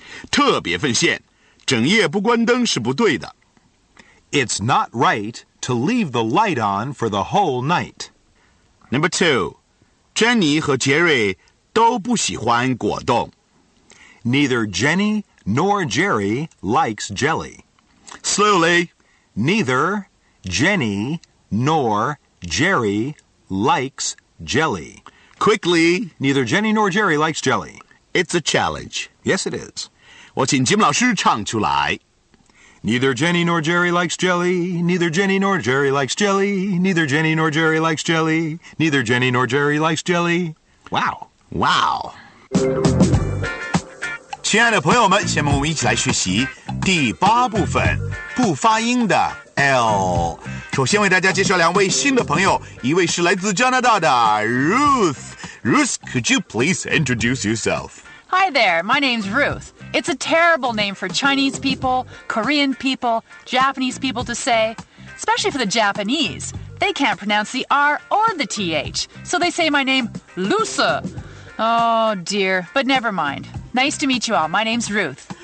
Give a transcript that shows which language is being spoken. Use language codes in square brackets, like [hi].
[zh] 特别奉献，整夜不关灯是不对的。 [en] It's not right to leave the light on for the whole night. Number two, [zh] Jenny 和 Jerry 都不喜欢果冻。 [en] Neither Jenny nor Jerry likes jelly. Slowly, neither Jenny nor Jerry likes jelly. Quickly, neither Jenny nor Jerry likes jelly. It's a challenge. Yes, it is. [zh] 我请 Jim 老师唱出来。 [en] Neither Jenny nor Jerry likes jelly. Neither Jenny nor Jerry likes jelly. Neither Jenny nor Jerry likes jelly. Neither Jenny nor Jerry likes jelly. Wow. Wow. [zh] 亲爱的朋友们，下面我们一起来学习第八部分，不发音的 L。首先为大家介绍两位新的朋友，一位是来自加拿大的 Ruth. [en] Ruth, could you please introduce yourself? Hi there, my name's Ruth. It's a terrible name for Chinese people, Korean people, Japanese people to say. Especially for the Japanese, they can't pronounce the R or the TH, so they say my name, Lusa. Oh dear, but never mind. Nice to meet you all, my name's Ruth.